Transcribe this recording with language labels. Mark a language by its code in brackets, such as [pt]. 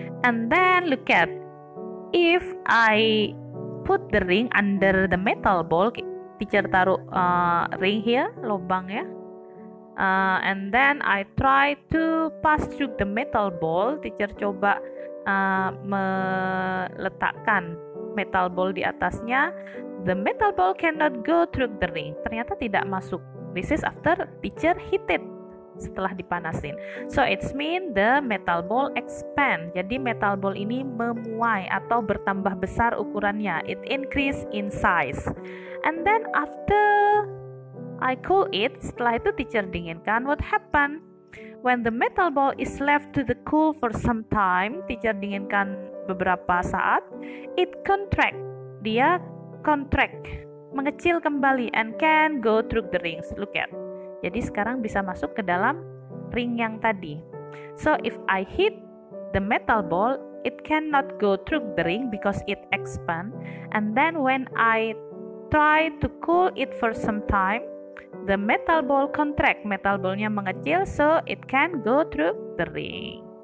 [en] And then look at, if I put the ring under the metal ball, [id] teacher taruh ring here, lubang ya, [en] and then I try to pass through the metal ball, [id] teacher coba meletakkan metal ball di atasnya, [en] the metal ball cannot go through the ring, [id] ternyata tidak masuk. [en] This is after teacher hit it, [id] setelah dipanasin. [en] So it mean the metal ball expand. [id] Jadi metal ball ini memuai atau bertambah besar ukurannya. [en] It increase in size. And then after I cool it, [id] setelah itu teacher dinginkan, [en] what happen? When the metal ball is left to the cool for some time, [id] teacher dinginkan beberapa saat, [en] it contract. [id] Dia contract, mengecil kembali [en] and can go through the rings. Look at. [id] Jadi sekarang bisa masuk ke dalam ring yang tadi. [en] So if I hit the metal ball, it cannot go through the ring because it expand. And then when I try to cool it for some time, the metal ball contract. [id] Metal ballnya mengecil, [en] so it can go through the ring.